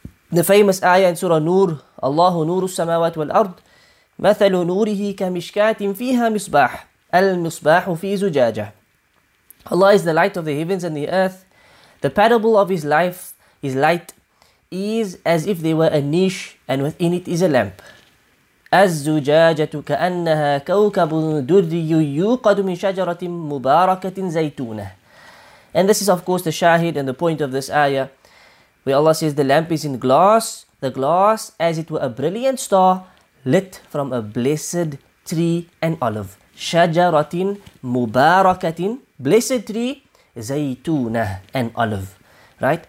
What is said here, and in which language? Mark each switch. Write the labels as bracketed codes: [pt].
[en] The famous ayah in Surah Nur, [ar] Allahu Nuru Samawat wal Ard, مثل نوره كمشكات فيها مصباح المصباح في زجاجة. [en] Allah is the light of the heavens and the earth. The parable of His life, His light, is as if there were a niche and within it is a lamp. [ar] الزجاجة كأنها كوكب دري يوقد من شجرة مباركة زيتونة. [en] And this is of course the shahid and the point of this ayah, where Allah says the lamp is in glass, the glass as it were a brilliant star, lit from a blessed tree, an olive. [ar] Shajaratin mubarakatin, [en] blessed tree, zaytuna, an olive. Right?